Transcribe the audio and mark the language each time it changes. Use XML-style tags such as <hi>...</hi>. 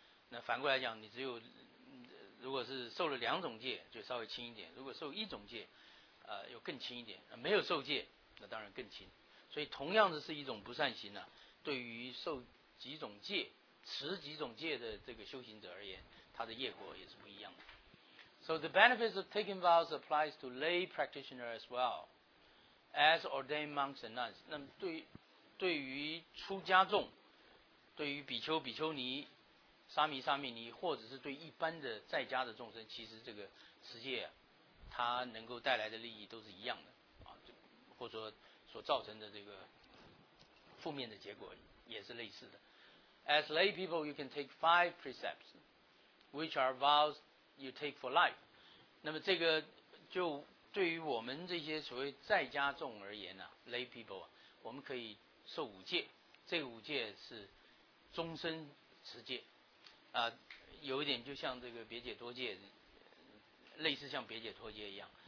<zh>那反过来讲，你只有如果是受了两种戒就稍微轻一点，如果受一种戒又更轻一点，没有受戒那当然更轻。所以同样的是一种不善行呢，对于受几种戒持几种戒的这个修行者而言，他的业果也是不一样的。</zh> <en>So the benefits of taking vows applies to lay practitioner as well as ordained monks and nuns。</en> <zh>那么对于出家众，对于比丘、比丘尼、沙弥、沙弥尼，或者是对一般的在家的众生，其实这个持戒啊，它能够带来的利益都是一样的啊，或者说所造成的这个负面的结果也是类似的。</zh> <en>As lay people, you can take 5 precepts, which are vows you take for life.</en> <zh>那么这个就对于我们这些所谓在家众而言呢、</zh> <en>lay people</en> <zh>啊，我们可以受五戒，这个五戒是终身持戒啊，有一点就像这个别解脱戒，类似像别解脱戒一样。</zh>